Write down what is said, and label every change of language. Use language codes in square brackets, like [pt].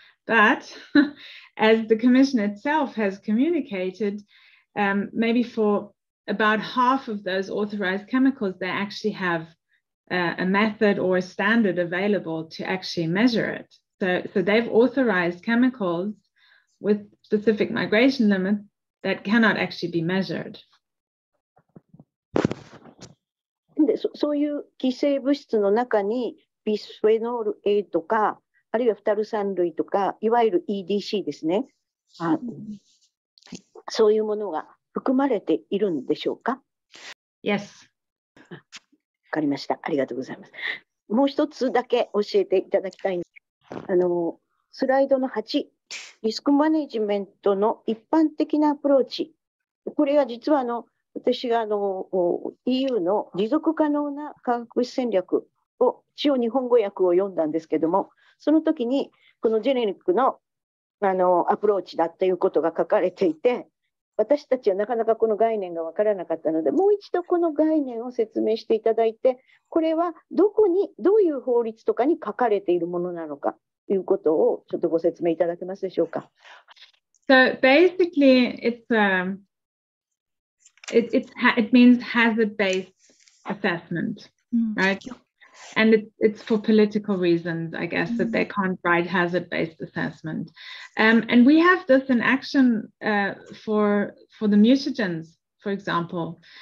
[en] But as the Commission itself has communicated,maybe for about half of those authorized chemicals, they actually have a method or a standard available to actually measure it. So they've authorized chemicals with specific migration limits that cannot actually be measured. [ja] そういう規制物質の中にビスフェノール A とか、あるいはフタル酸類とか、いわゆる EDC ですね。そういうものが含まれているんでしょうか。 [en] Yes. [ja] 分かりました。ありがとうございます。もう一つだけ教えていただきたいんです。あのスライドの8、リスクマネジメントの一般的なアプローチ。これは実はあの私があの EU の持続可能な化学物質戦略を一応日本語訳を読んだんですけども、その時にこのジェネリック あのアプローチだということが書かれていて、私たちはなかなかこの概念が分からなかったので、もう一度この概念を説明していただいて、これはどこにどういう法律とかに書かれているものなのかということをちょっとご説明いただけますでしょうか。 [en] So basically it's a It means hazard-based assessment, right? And it's for political reasons, I guess, that they can't write hazard-based assessment. And we have this in action for the mutagens, for example.